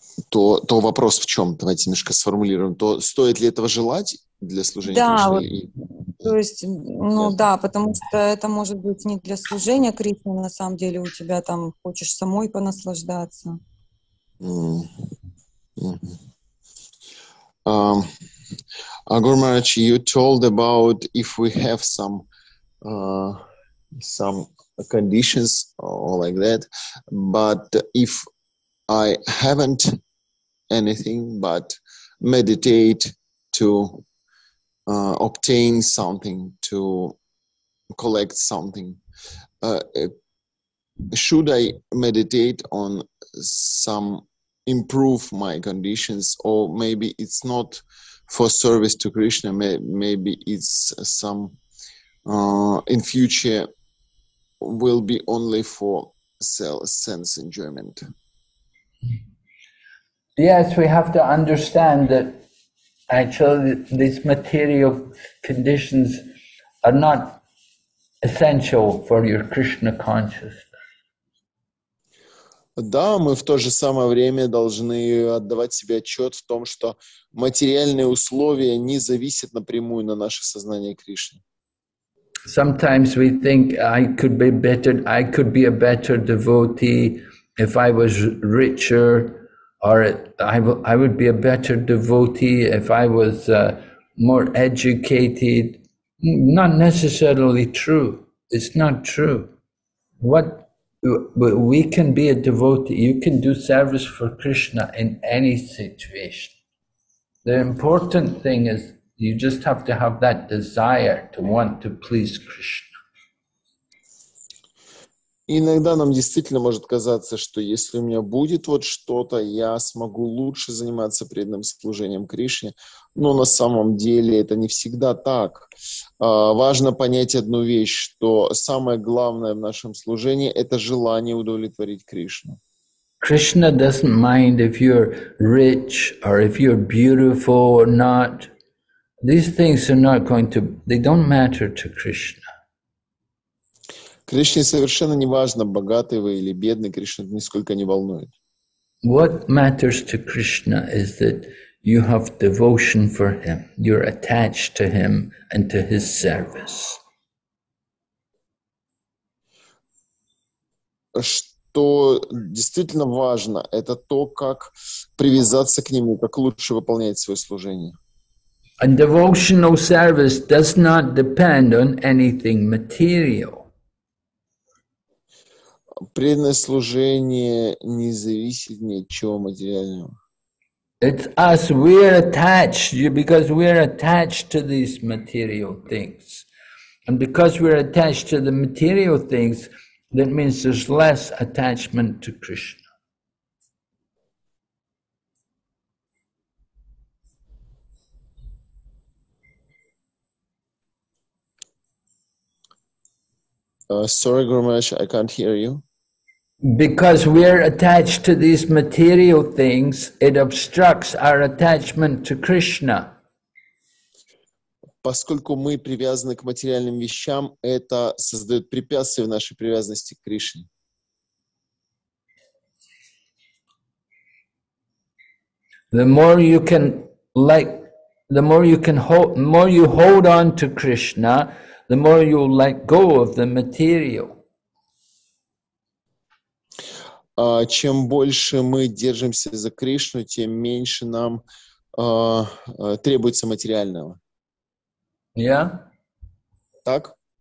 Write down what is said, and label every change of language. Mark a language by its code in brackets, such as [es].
[ru] То вопрос в чем? Давайте немножко сформулируем. То стоит ли этого желать для служения Кришне? Да, вот, то есть, ну да, потому что это может быть не для служения Кришне, на самом деле у тебя там хочешь самой понаслаждаться. [en] Гуру Махарадж, you told about if we have some conditions or like that, but if I haven't anything but meditate to obtain something, to collect something. Should I meditate on some improve my conditions, or maybe it's not for service to Krishna, maybe it's some in future will be only for sense enjoyment? Yes, we have to understand that actually these material conditions are not essential for your Krishna consciousness. [ru] Да, мы в то же самое время должны отдавать себе отчет в том, что материальные условия не зависят напрямую на наше сознание Кришны. [en] Sometimes we think I could be a better devotee if I was richer. Or I would be a better devotee if I was more educated. Not necessarily true. It's not true. What we can be a devotee. You can do service for Krishna in any situation. The important thing is you just have to have that desire to want to please Krishna. [ru] Иногда нам действительно может казаться, что если у меня будет вот что-то, я смогу лучше заниматься преданным служением Кришне. Но на самом деле это не всегда так. Важно понять одну вещь, что самое главное в нашем служении – это желание удовлетворить Кришну. [en] Krishna doesn't mind if you're rich or if you're beautiful or not. These things are not going to, they don't matter to Krishna. [ru] Кришне совершенно не важно, богатый вы или бедный, Кришна нисколько не волнует. [en] What matters to Krishna is that you have devotion for him, you're attached to him and to his service. [ru] Что действительно важно, это то, как привязаться к нему, как лучше выполнять свое служение. [en] And devotional service does not depend on anything material. [ru] Преданное служение не зависит ни от чего материального. [en] It's us, we're attached, because we're attached to these material things. And because we're attached to the material things, that means there's less attachment to Krishna. Sorry, Guru Maharaj, I can't hear you. Because we are attached to these material things, it obstructs our attachment to Krishna. [ru] Поскольку мы привязаны к материальным вещам, это создает препятствие в нашей привязанности к Кришне. [en] The more you can the more you can hold, more you hold on to Krishna, the more you let go of the material. [ru] Чем больше мы держимся за Кришну, тем меньше нам требуется материального. [en] Yeah. [ru] Так?